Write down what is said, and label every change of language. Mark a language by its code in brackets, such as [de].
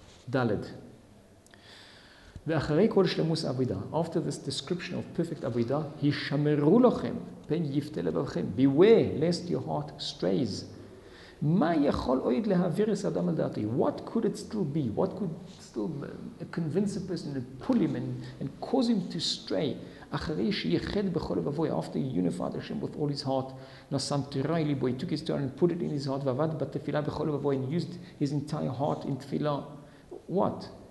[he] דלת. ואחרי כל שלמוס עבידה, [en] after this description of perfect עבידה, [he] הישמרו לכם, פן יפתה לבבכם, [en] beware lest your heart strays. [he] מה יכול עוד להעביר את האדם על דעתי? [en] What could it still be? What could still convince a person and pull him and cause him to stray? [he] אחרי שייחד בכל לבבוי, [en] after he unified Hashem with all his heart, [he] נשם תורה אל ליבו, [en] he took his Torah and put it in his heart, [he] ועבד בתפילה בכל לבבוי, [en] and used his entire heart in תפילה. What?